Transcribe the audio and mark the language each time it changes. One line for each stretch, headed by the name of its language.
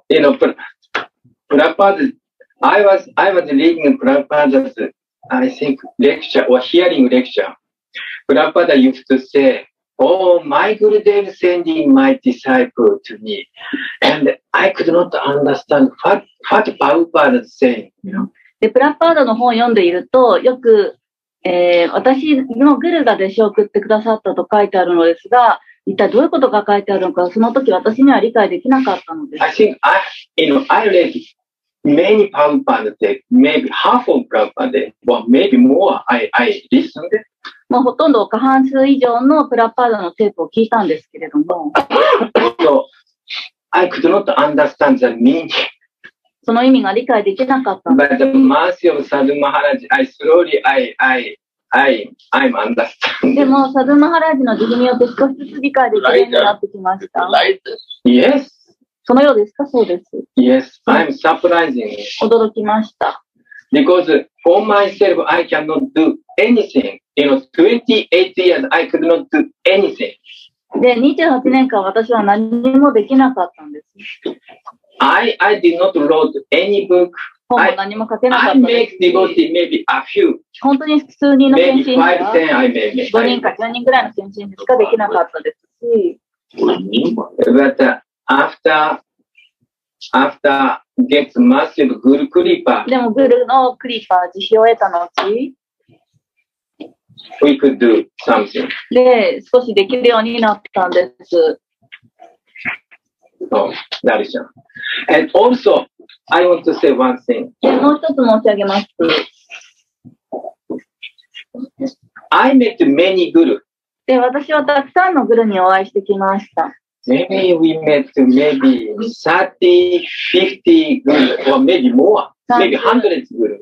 English: So, you know, Prabhupada, I was reading Prabhupada's, I think, lecture or hearing lecture. Prabhupada used to say, Oh, my Gurudev sending my disciple to me. And I could not understand what Prabhupada is saying, you know.
Japanese: で、プラッパードの本を読んでいると、よく、私のグルが弟子を送ってくださったと書いてあるのですが、一体どういうことが書いてあるのか、その時私には理解できなかったのです。
English: I think I, you know, I read many Prabhupada で、maybe half of Prabhupada で、or maybe more I listened.
Japanese: もうほとんど過半数以上のプラッパードのテープを聞いたんですけれども。
English: So, I could not understand the meaning.
Japanese: その意味が理解できなかったんです。
English: By the mercy of Sadhu Maharaj, I slowly, I'm understanding.
Japanese: でも、Sadhu Maharajの慈悲によって少しずつ理解できるようになってきました。
English: Yes.
Japanese: そのようですか？そうです。
English: Yes, I'm surprising.
Japanese: 驚きました。
English: Because for myself, I cannot do anything. You know, 28 years, I could not do anything.
Japanese: で、28年間私は何もできなかったんです。
English: I did not wrote any book.
Japanese: 本も何も書けなかった。
English: I make devotee maybe a few.
Japanese: 本当に数人の献身は、5人か10人ぐらいの献身しかできなかったですし。
English: But after gets massive guru kripa.
Japanese: でもグルのクリーパー、慈悲を得た後、
English: we could do something.
Japanese: で、少しできるようになったんです。
English: Oh, that is it. And also, I want to say one thing.
Japanese: もう一つ申し上げます。
English: I met many guru.
Japanese: で、私はたくさんのグルにお会いしてきました。
English: Maybe we met maybe 30, 50 guru, or maybe more. Maybe hundreds guru.